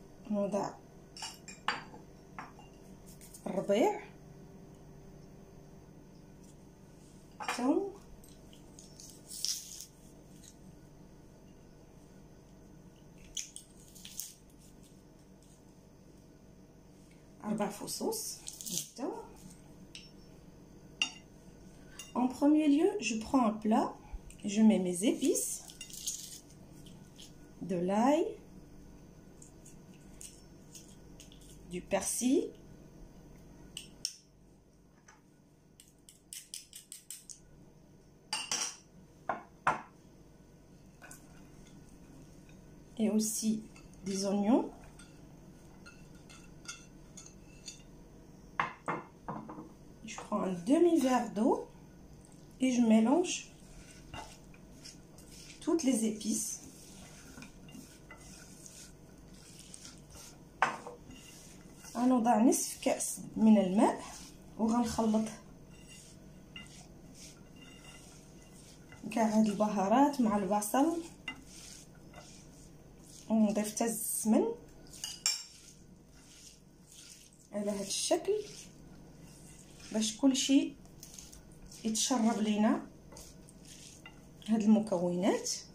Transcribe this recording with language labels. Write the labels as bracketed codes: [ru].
[ar] نوضع الربيع، ثوم، أربع فصوص الثوم. [fr] En premier lieu, je prends un plat, je mets mes épices, de l'ail, du persil, et aussi des oignons. Je prends un demi-verre d'eau et je mélange toutes les épices. On va mettre une cuillère de l'eau et on va mélanger les épices avec le basil. [ar] ونضيف حتى السمن على هذا الشكل باش كل شيء يتشرب لينا هاد المكونات.